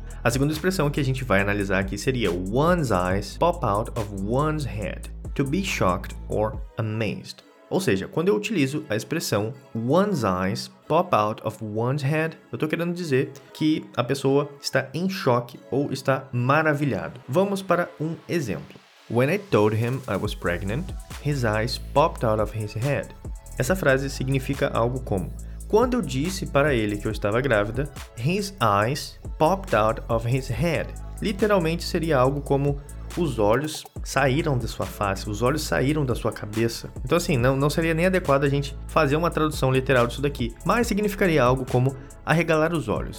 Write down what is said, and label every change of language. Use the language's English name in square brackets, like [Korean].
[Portuguese] A segunda expressão que a gente vai analisar aqui seria [English] one's eyes pop out of one's head, to be shocked or amazed. [Portuguese] Ou seja, quando eu utilizo a expressão [English] one's eyes pop out of one's head, [Portuguese] eu estou querendo dizer que a pessoa está em choque ou está maravilhado. Vamos para um exemplo. [English] When I told him I was pregnant, his eyes popped out of his head. [Portuguese] Essa frase significa algo como: quando eu disse para ele que eu estava grávida, [English] his eyes popped out of his head. [Portuguese] Literalmente seria algo como os olhos saíram da sua face, os olhos saíram da sua cabeça. Então assim, não seria nem adequado a gente fazer uma tradução literal disso daqui, mas significaria algo como arregalar os olhos.